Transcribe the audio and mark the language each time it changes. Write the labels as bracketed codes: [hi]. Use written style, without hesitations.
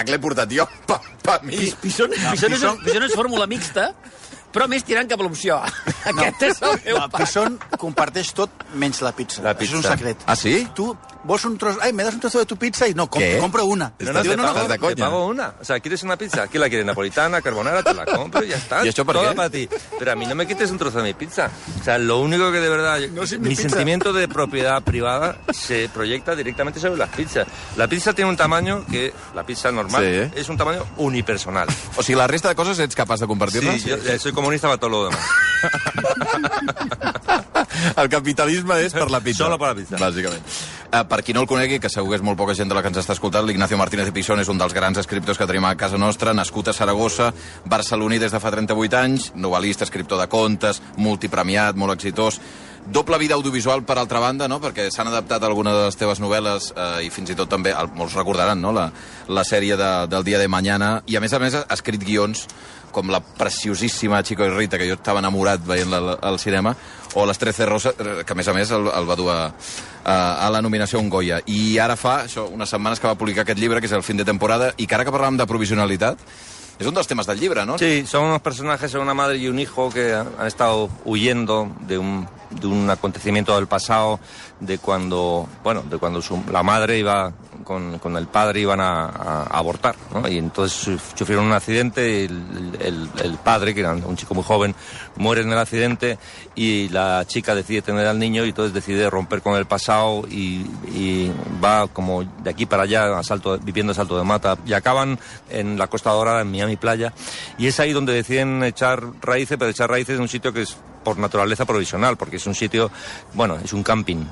[ca] El pack l'he portat jo, per mi. Pisón és fórmula mixta, però més tirant cap a l'opció A. Aquest és el meu pack. Pisón comparteix tot menys la pizza. La pizza. És un secret. Ah, sí? Tu vols un tros... Ai, [es] me das un trozo de tu pizza? [ca] I no, [es] compro una. [ca] Estàs de conya. [es] Te pago una. O sea, ¿quieres una pizza? Aquí la quiere napolitana, carbonara, te la compro y ya está. [ca] ¿Y això per [es] què? [ca] Però a mi [es] no me quites un trozo de mi pizza. O sea, lo único que de verdad... No, mi sentimiento de propiedad privada se proyecta directamente sobre las pizzas. La pizza tiene un tamaño que... La pizza normal es un tamaño unipersonal. [ca] O sea, la resta de cosas ets capaz de compartir-la? [es] Sí, yo soy comunista para todo lo demás. [ca] El capitalisme és per la pizza. Solo per la pizza. Bàsicament. Per qui no el conegui, que segur que és molt poca gent de la que ens està escoltant, l'Ignacio Martínez de Pixón és un dels grans escriptors que tenim a casa nostra, nascut a Saragossa, barceloní des de fa 38 anys, novel·lista, escriptor de contes, multipremiat, molt exitós. Doble vida audiovisual, per altra banda, no? Perquè s'han adaptat alguna de les teves novel·les i fins i tot també, molts recordaran, no? La sèrie del Dia de Mañana. I a més, ha escrit guions com la preciosíssima Chico y Rita, que jo estava enamorat veient-la al cinema, o Les 13 Roses, que a més el va dur a la nominació a un Goya. I ara fa això, unes setmanes que va publicar aquest llibre, que és El fin de temporada, i que ara que parlàvem de provisionalitat, [es] es uno de los temas del libro, ¿no? Sí, son unos personajes, una madre y un hijo que han estado huyendo de un acontecimiento del pasado, de cuando la madre iba con el padre, iban a abortar, ¿no? Y entonces sufrieron un accidente y el padre, que era un chico muy joven, muere en el accidente y la chica decide tener al niño y entonces decide romper con el pasado y va como de aquí para allá viviendo a salto de mata y acaban en la Costa Dorada, en Miami Playa, y es ahí donde deciden echar raíces, pero echar raíces en un sitio que es por naturaleza provisional, porque es un sitio, bueno, es un camping.